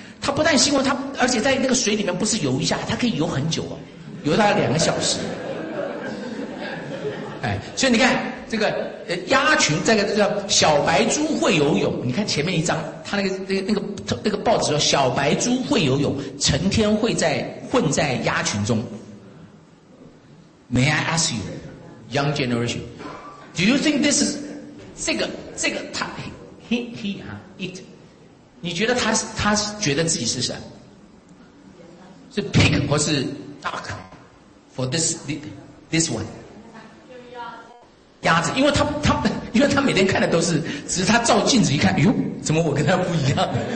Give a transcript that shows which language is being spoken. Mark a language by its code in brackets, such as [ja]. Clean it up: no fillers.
[zh] 它不但新闻，它而且在那个水里面不是游一下，它可以游很久啊，游大概2小时。哎，所以你看这个鸭群，这个叫小白猪会游泳。你看前面一张，他那个报纸说小白猪会游泳，成天会在混在鸭群中。 [en] May I ask you, young generation, do you think this is [zh] 这个他 [en] he 啊 it？ [zh] 你觉得他觉得自己是谁？ [en] 是 pig 或是 duck for this one？ [zh] 鸭子，因为他每天看的都是，只是他照镜子一看，哎呦，怎么我跟他不一样？